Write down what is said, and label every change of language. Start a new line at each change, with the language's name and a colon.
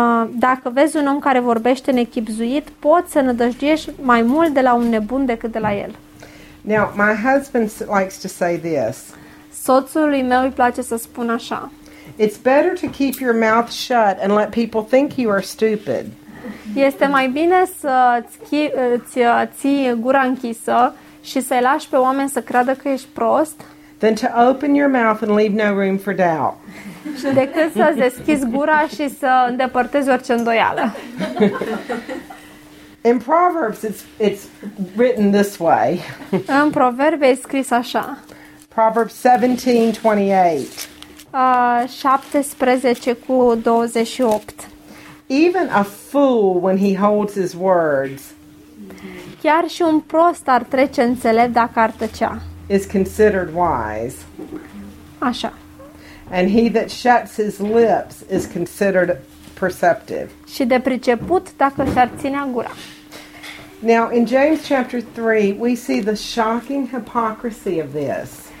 Romanian: Dacă vezi un om care vorbește nechipzuit, poți să nădăjduiești mai mult de la un nebun decât de la el.
English: Now, my husband likes to say this.
Romanian: Soțului meu îi place să spun așa.
English: It's better to keep your mouth shut and let people think you are stupid.
Romanian: Este mai bine să ții gura închisă și să-i lași pe oameni să creadă că ești prost.
English: Than to open your mouth and leave no room for doubt.
Romanian: Decât să deschizi gura și să îndepărtezi orice îndoială.
English: In Proverbs it's written this way.
Romanian: În Proverbe e scris așa.
English: Proverbs 17:28.
Romanian: 17:28.
English: Even a fool when he holds his words.
Romanian: Chiar și un prost ar trece înțelept dacă ar tăcea.
English: Is considered wise.
Romanian: Așa.
English: And he that shuts his lips is considered perceptive.
Romanian: Și de priceput dacă s-ar ține gura.
English: Now in James chapter 3 we see the shocking hypocrisy of this.